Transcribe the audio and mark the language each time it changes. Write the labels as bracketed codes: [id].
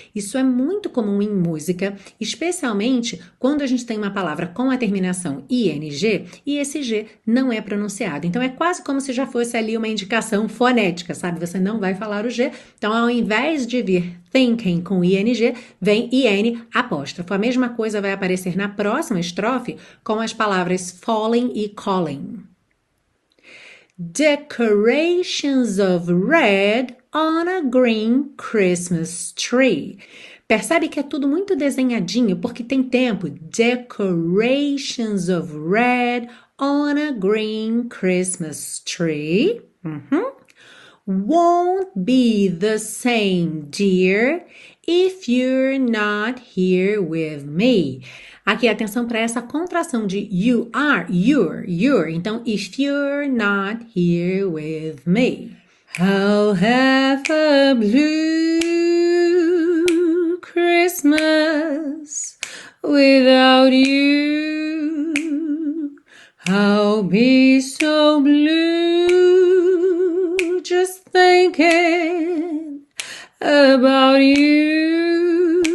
[pt] Isso é muito comum em música, especialmente quando a gente tem uma palavra com a terminação ing e esse G não é pronunciado. Então é quase como se já fosse ali uma indicação fonética, sabe? Você não vai falar o G. Então ao invés de vir thinking com ing, vem in apóstrofo. A mesma coisa vai aparecer na próxima estrofe com as palavras falling e calling. [en] Decorations of red on a green Christmas tree. [pt] Percebe que é tudo muito desenhadinho, porque tem tempo. [en] Decorations of red on a green Christmas tree. Won't be the same, dear, if you're not here with me. [pt] Aqui, atenção para essa contração de you are, you're. [en] Então, if you're not here with me. I'll have a blue Christmas without you. I'll be so blue just thinking about you.